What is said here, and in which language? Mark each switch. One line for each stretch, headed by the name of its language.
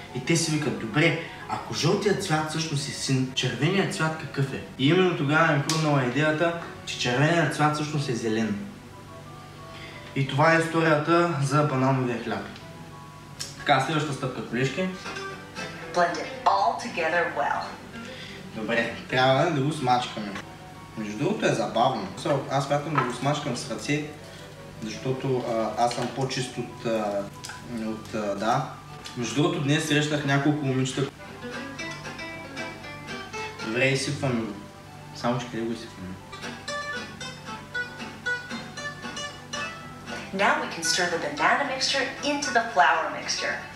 Bulgarian: И те си викат, добре, ако жълтият цвят всъщност е син, червеният цвят какъв е? И именно тогава ми хрумнала идеята, че червеният цвят всъщност е зелен. И това е историята за банановия хляб. Така, следваща стъпка, колешки.
English: Blend it all together well.
Bulgarian: Добре, трябва да го смачкаме. Между другото е забавно. Аз смятам да го смачкам с ръце, защото аз съм по-чист от... да. Между другото днес срещнах няколко момичета. Добре, изсипвам. Само че къде го изсипвам?
English: Now we can stir the banana mixture into the flour mixture.